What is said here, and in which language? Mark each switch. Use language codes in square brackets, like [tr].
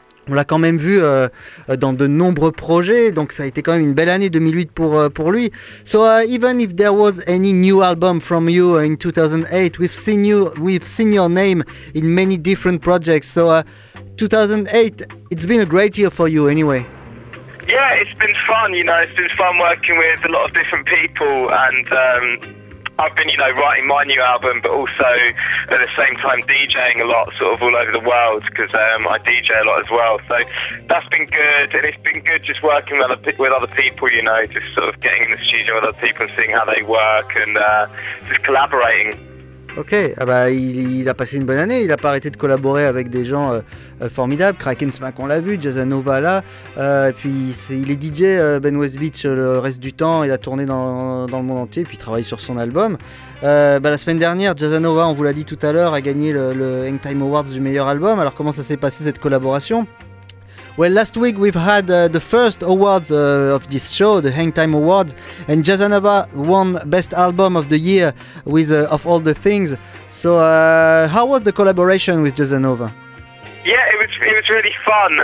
[fr] On l'a quand même vu dans de nombreux projets, donc ça a été quand même une belle année 2008 pour lui. [en] So even if there was any new album from you in 2008, we've seen your name in many different projects. So 2008, it's been a great year for you anyway. Yeah, it's been fun, you know, it's been fun working with a lot of different people, and I've been, you know, writing my new album, but also at the same time DJing a lot, sort of all over the world, because I DJ a lot as well. So that's been good, and it's been good just working with other people, you know, just sort of getting in the studio with other people and seeing how they work, and just collaborating. [fr] Ok, ah bah, il a passé une bonne année, il a pas arrêté de collaborer avec des gens formidables, Kraken Smack on l'a vu, Jazzanova là, et puis il est DJ Ben West Beach le reste du temps, il a tourné dans le monde entier, puis il travaille sur son album. Bah, la semaine dernière, Jazzanova, on vous l'a dit tout à l'heure, a gagné le Hangtime Awards du meilleur album. Alors comment ça s'est passé cette collaboration? [en] Well, last week we've had the first awards of this show, the Hangtime Awards, and Jazzanova won Best Album of the Year with Of All the Things. So, how was the collaboration with Jazzanova? Yeah, it was really fun.